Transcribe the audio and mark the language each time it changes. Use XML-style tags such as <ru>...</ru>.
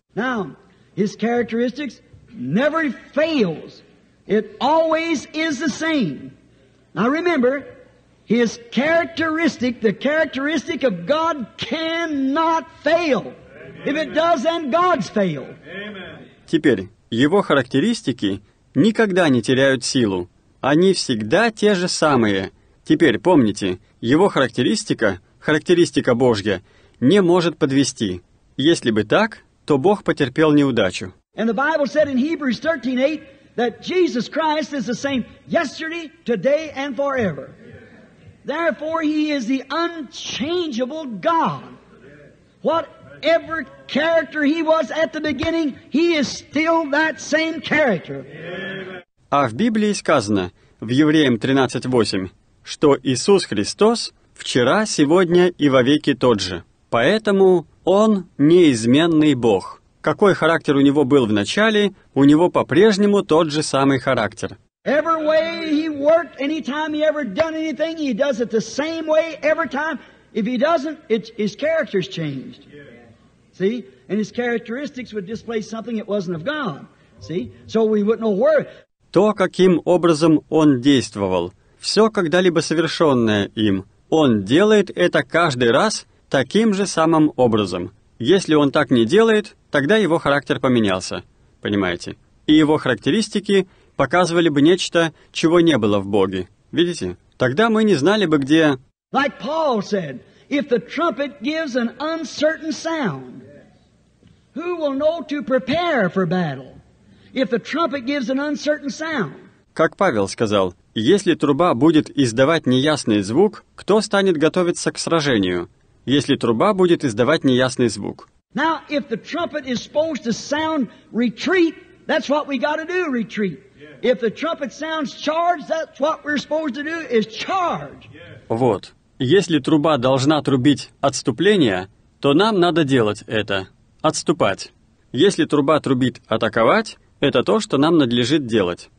<en>Now, his characteristics never fails. It always is the same. Now remember, his characteristic, the characteristic of God cannot fail. If it does, then God's fail. Amen.</en> <ru>Теперь, его характеристики никогда не теряют силу. Они всегда те же самые. Теперь, помните, его характеристика, характеристика Божья, не может подвести. Если бы так, то Бог потерпел неудачу.</ru> <en>And the Bible said in Hebrews 13:8 that Jesus Christ is the same yesterday, today, and forever. Therefore, He is the unchangeable God. What Every character he was at the beginning, he is still that same character.</en> <ru>А в Библии сказано, в Евреям 13:8, что Иисус Христос вчера, сегодня и вовеки тот же. Поэтому Он неизменный Бог. Какой характер у Него был в начале, у Него по-прежнему тот же самый характер.</ru> <en>Every way He worked, any time He ever done anything, He does it the same way every time. If He doesn't, His character's changed. See, and his characteristics would display something it wasn't of God. See, so we wouldn't know where.</en> <ru>То, каким образом он действовал, все когда-либо совершенное им, он делает это каждый раз таким же самым образом. Если он так не делает, тогда его характер поменялся, понимаете? И его характеристики показывали бы нечто, чего не было в Боге. Видите? Тогда мы не знали бы где.</ru> <en>Like Paul said, if the trumpet gives an uncertain sound. Who will know to prepare for battle if the trumpet gives an uncertain sound?</en> <ru>Как Павел сказал, если труба будет издавать неясный звук, кто станет готовиться к сражению? Если труба будет издавать неясный звук.</ru> <en>Now, if the trumpet is supposed to sound retreat, that's what we got to do, retreat. Yeah. If the trumpet sounds charge, that's what we're supposed to do, is charge. Yeah.</en> <ru>Вот. Если труба должна трубить отступление, то нам надо делать это. Отступать. Если труба трубит атаковать, это то, что нам надлежит делать.</ru>